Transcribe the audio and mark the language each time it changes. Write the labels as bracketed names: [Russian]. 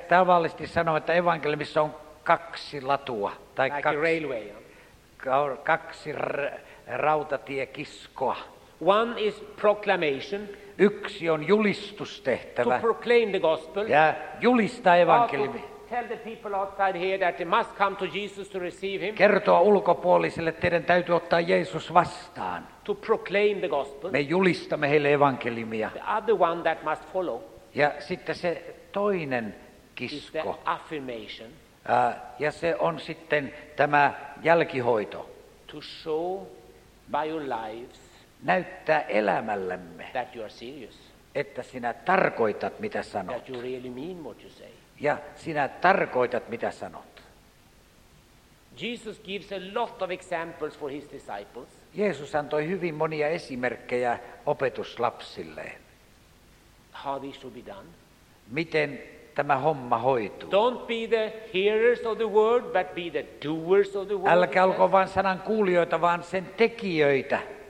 [Finnish] tavallisesti sanomme, että evankelimissa on kaksi latua tai [English] like [Finnish] kaksi [English] railway. [Finnish] Kaksi rautatiekiskoa. [English] One is proclamation. [Finnish] Yksi on julistustehtävä. [English] To proclaim the gospel. [Finnish] Ja julistaa evankeliumi. [English] tell the people outside here that they must come to Jesus to receive him. [Finnish] Kertoa ulkopuolisille, että teidän täytyy ottaa Jeesus vastaan. [English] To proclaim the gospel. [Finnish] Me julistamme heille evankeliumia. [English] The other one that must follow. [Finnish] Ja sitten se toinen kisko. [English] Is the affirmation. [Finnish] Ja se on sitten tämä jälkihoito. [English] To show by your lives. [Finnish] Näyttää elämällämme. [English] That you are serious. [Finnish] Että sinä tarkoitat, mitä sanot. [English] That you really mean what you say. [Finnish] Ja sinä tarkoitat, mitä sanot. [English] Jesus gives a lot of examples for his disciples. [Finnish] Jeesus antoi hyvin monia esimerkkejä opetuslapsilleen. [English] How this should be done. [Finnish] Miten tämä homma hoituu. [English] Don't be the hearers of the word, but be the doers of the word. [Finnish] Älkää olko vain sanan kuulijoita, vaan sen tekijöitä.